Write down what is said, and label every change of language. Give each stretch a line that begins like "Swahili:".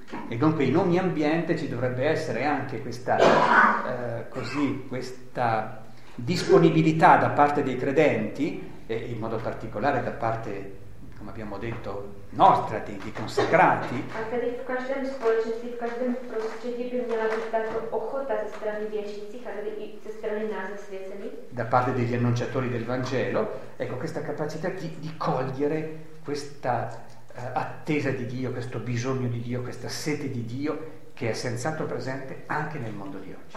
Italian: E dunque in ogni ambiente ci dovrebbe essere anche questa così questa disponibilità da parte dei credenti, e in modo particolare da parte, come abbiamo detto, nostra, di consacrati.
Czech: A tedy v každém společenství, v každém prostředí by měla být tato ochota ze strany věřících, a tedy i ze strany nás zasvěcených.
Italian: Da parte degli annunciatori del Vangelo, ecco, questa capacità di cogliere questa attesa di Dio, questo bisogno di Dio, questa sete di Dio che è senz'altro presente anche nel mondo di oggi.